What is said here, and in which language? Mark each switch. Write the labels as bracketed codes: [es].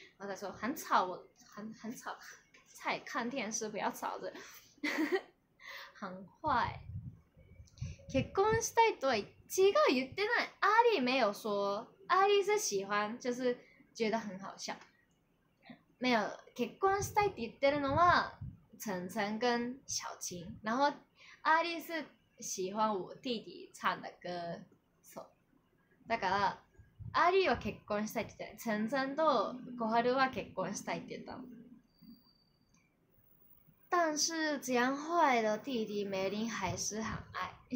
[zh] 然后他说很吵，我很吵，在看电视，不要吵着。很坏。 [ja] 結婚したいとは違う、言ってない。 [zh] アーリー没有说。阿丽是喜欢，就是觉得很好笑。没有， [ja] 结婚したいって言ってるのは晨晨跟小晴。 [zh] 然后阿丽是喜欢我弟弟唱的歌，そう。 [ja] だから阿丽は結婚したいって言ってる。晨晨と小春は結婚したいって言ったの。 [zh] 但是这样坏的弟弟梅林还是很爱。